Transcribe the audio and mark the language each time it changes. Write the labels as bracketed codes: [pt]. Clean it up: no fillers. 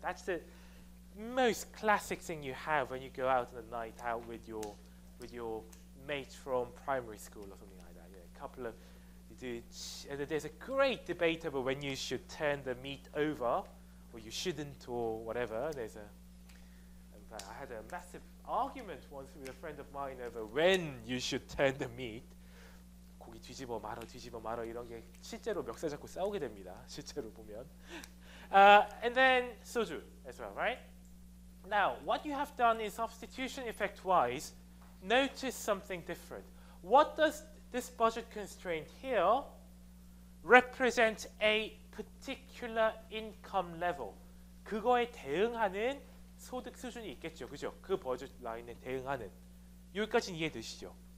[en] That's the most classic thing you have when you go out on a night out with your mate from primary school or something like that. Yeah, a couple of you do. And there's a great debate over when you should turn the meat over, or you shouldn't, or whatever. I had a massive argument once with a friend of mine over when you should turn the meat. [ko] 고기 뒤집어 말어 뒤집어 말어 이런 게 실제로 멱살 잡고 싸우게 됩니다. 실제로 보면. [en] And then soju as well, right? Now, what you have done in substitution effect-wise, notice something different. What does this budget constraint here represent a particular income level? [ko] 그거에 대응하는 소득 수준이 있겠죠, 그죠? 그 버젯 라인에 대응하는. 여기까지는 이해 되시죠?